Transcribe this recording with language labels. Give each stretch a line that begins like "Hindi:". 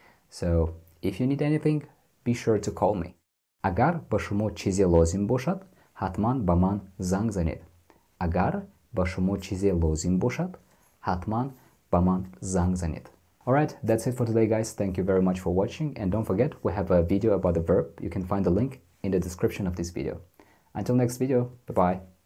English: So, if you need anything, be sure to call me.
Tajik: Агар ба шумо чизе лозим бошад, ҳатман ба ман занг занед. Агар ба шумо чизе лозим бошад, ҳатман ба ман занг занед.
English: Alright, that's it for today, guys. Thank you very much for watching. And don't forget, we have a video about the verb. You can find the link in the description of this video. Until next video, bye-bye.